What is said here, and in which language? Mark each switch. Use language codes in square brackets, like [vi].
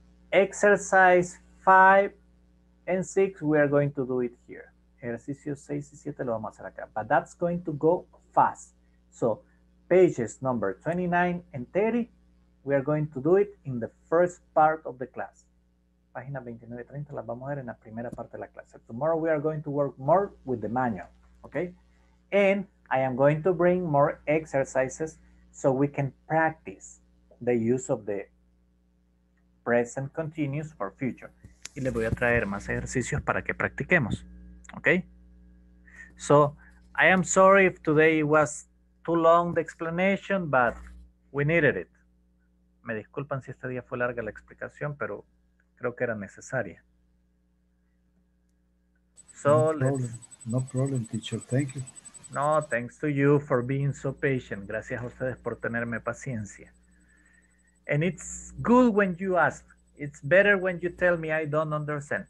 [en] Exercise 5 and 6, we are going to do it here. [es] Ejercicio 6 y 7 lo vamos a hacer acá. [en] But that's going to go fast. So, pages number 29 and 30, we are going to do it in the first part of the class. [es] Página 29 y 30 las vamos a ver en la primera parte de la clase. [en] Tomorrow we are going to work more with the manual. Okay? And I am going to bring more exercises so we can practice the use of the present continuous for future. [es] Y les voy a traer más ejercicios para que practiquemos. [en] Okay? So, I am sorry if today was too long the explanation, but we needed it. [es] Me disculpan si este día fue larga la explicación, pero creo que era necesaria. [en] So, no problem, teacher. Thank you. No, thanks to you for being so patient. [es] Gracias a ustedes por tenerme paciencia. [en] And it's good when you ask. It's better when you tell me I don't understand.